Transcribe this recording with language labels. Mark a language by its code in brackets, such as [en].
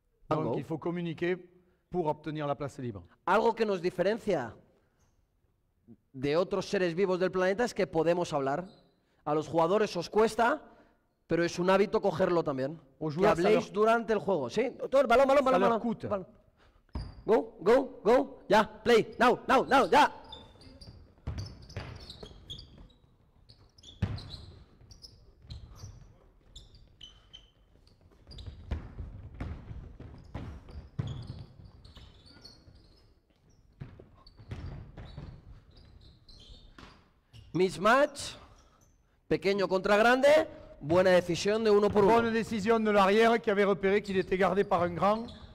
[fr] Donc il faut communiquer pour obtenir la place libre. [es] Algo que nos diferencia de otros seres vivos del planeta es que podemos hablar. A los jugadores os cuesta, pero es un hábito cogerlo también. Que habléis durante el juego, ¿sí? Todo el balón, balón, balón, balón. [en] Go, go, go. Ya, play. Now, now, now, ya. [es] Mismatch. Pequeño contra grande, buena decisión de uno por uno. [fr] Bonne décision de l'arrière qui avait repéré qu'il était gardé par un grand.